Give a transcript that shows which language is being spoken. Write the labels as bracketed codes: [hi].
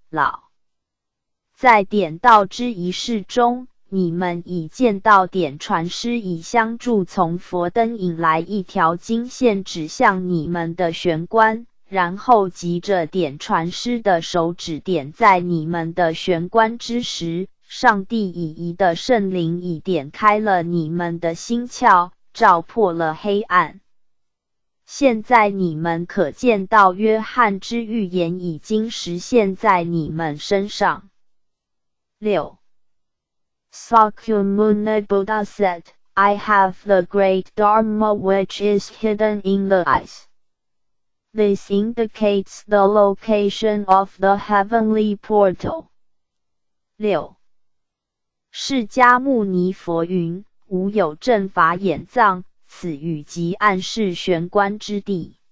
[zh] 老在点道之仪式中，你们已见到点传师以香柱从佛灯引来一条金线指向你们的玄关，然后急着点传师的手指点在你们的玄关之时，上帝以一的圣灵已点开了你们的心窍，照破了黑暗。现在你们可见到约翰之预言已经实现在你们身上。六 [en] Sakyamuni Buddha said, I have the great Dharma which is hidden in the eyes. This indicates the location of the heavenly portal. [zh] 六释迦牟尼佛云，吾有正法眼藏，此语即暗示玄关之地。